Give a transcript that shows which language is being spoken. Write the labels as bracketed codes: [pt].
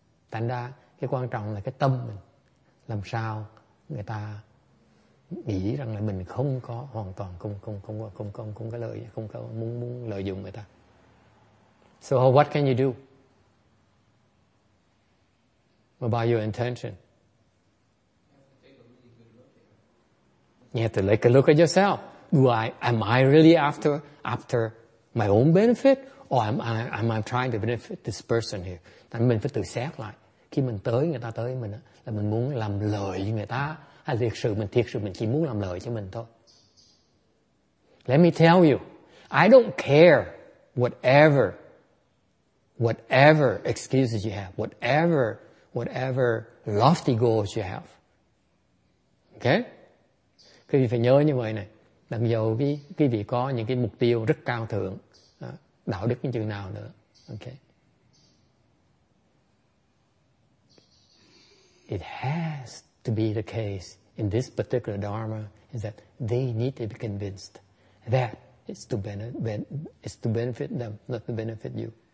[vi] Thành ra cái quan trọng là cái tâm mình làm sao người ta nghĩ rằng là mình không có hoàn toàn không có muốn lợi dụng người ta. [en] So what can you do about your intention? You have to take a look at yourself. Am I really after my own benefit, or am I trying to benefit this person here? [vi] Tại mình phải tự xét lại. Khi mình tới, người ta tới mình là mình muốn làm lợi cho người ta, hay thiệt sự mình chỉ muốn làm lợi cho mình thôi. [en] Let me tell you, I don't care whatever excuses you have, whatever lofty goals you have. Okay? [vi] Quý vị phải nhớ như vậy này, mặc dù quý vị có những cái mục tiêu rất cao thượng, đạo đức như chừng nào nữa. [en] Okay? It has to be the case in this particular dharma is that they need to be convinced that it's to benefit them, not to benefit you.